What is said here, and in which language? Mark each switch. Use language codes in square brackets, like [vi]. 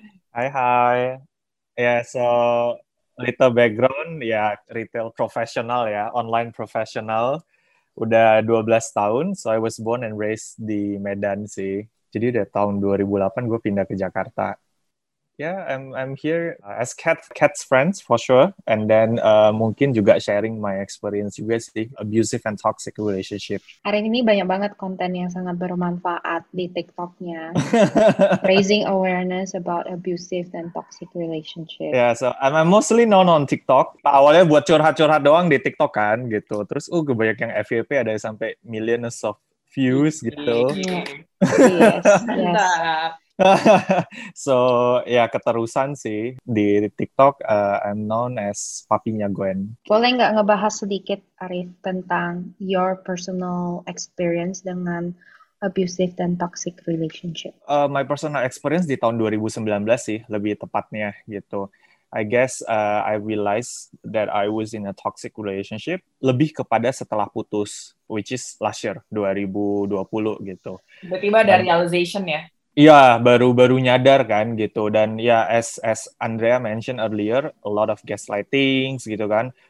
[en] Hai hai. Yeah, so little background, ya yeah, retail professional ya, yeah, online professional. [id] Udah 12 tahun, [en] so I was born and raised di Medan sih. [id] Jadi udah tahun 2008 gue pindah ke Jakarta. [en] Yeah, I'm here as Kat's friends for sure, and then [id] mungkin juga [en] sharing my experience with the abusive and toxic relationship. [id] Hari ini banyak banget konten yang sangat bermanfaat di TikTok-nya, [en] raising awareness about abusive and toxic relationship. [id] Yeah, [en] so I'm mostly known on TikTok. [id] Awalnya buat curhat-curhat doang di TikTok kan, gitu. Terus, gue banyak yang FYP, ada sampai [en] millions of views [id] gitu. [en] Yeah. Yes, yes. [id] So ya keterusan sih di TikTok [en] I'm known as [id] papinya Gwen. Boleh nggak ngebahas sedikit Arif tentang [en] your personal experience [id] dengan abusive dan toxic relationship? [en] My personal experience [id] di tahun 2019 sih lebih tepatnya gitu. [en] I guess I realized that I was in a toxic relationship [id] lebih kepada setelah putus, [en] which is last year 2020 gitu. [id] Tiba-tiba ada realization ya? Iya, baru-baru nyadar kan gitu. Dan ya, [en] as Andrea mentioned earlier, a lot of gaslighting [id] gitu kan.